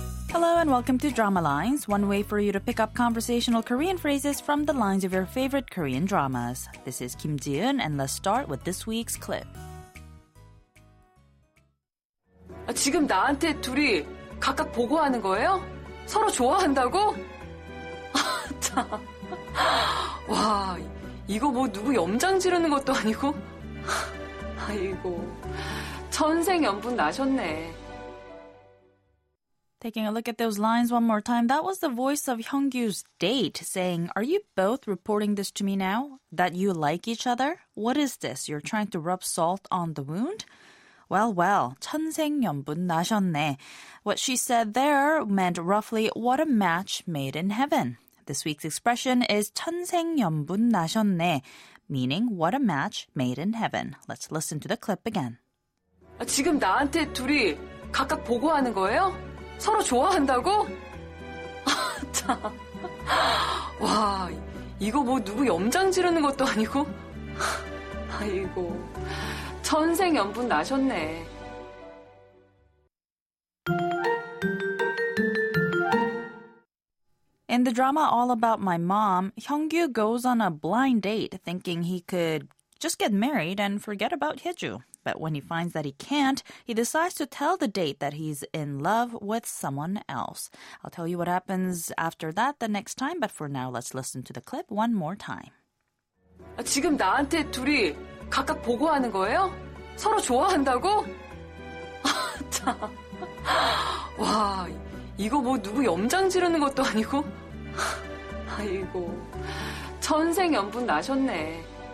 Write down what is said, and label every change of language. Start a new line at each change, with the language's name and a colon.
English: Hello and welcome to Drama Lines, one way for you to pick up conversational Korean phrases from the lines of your favorite Korean dramas. This is Kim Ji-eun, and let's start with this week's clip.
Korean: 아, 지금 나한테 둘이 각각 보고하는 거예요? 서로 좋아한다고? 아, 와, 이거 뭐 누구 염장 지르는 것도 아니고? 아이고, 천생연분 나셨네.
English: Taking a look at those lines one more time, that was the voice of Hyungkyu's date saying, are you both reporting this to me now? That you like each other? What is this? You're trying to rub salt on the wound? Well, well,
Korean: 천생연분 나셨네.
English: What she said there meant roughly, what a match made in heaven. This week's expression is
Korean: 천생연분 나셨네,
English: meaning what a match made in heaven. Let's listen to the clip again.
Korean: 아, 지금 나한테 둘이 각각 보고하는 거예요? 서로 좋아한다고? 아, 와, 이거 뭐 누구 염장 지르는 것도 아니고? 아이고, 천생연분 나셨네.
English: In the drama All About My Mom, Hyungkyu goes on a blind date thinking he could just get married and forget about Hyeju. But when he finds that he can't, he decides to tell the date that he's in love with someone else. I'll tell you what happens after that the next time, but for now, let's listen to the clip one more time.
Korean: 아, 지금 나한테 둘이 각각 보고하는 거예요? 서로 좋아한다고? 아, 와, 이거 뭐 누구 염장 지르는 것도 아니고? 아이고, 천생연분 나셨네.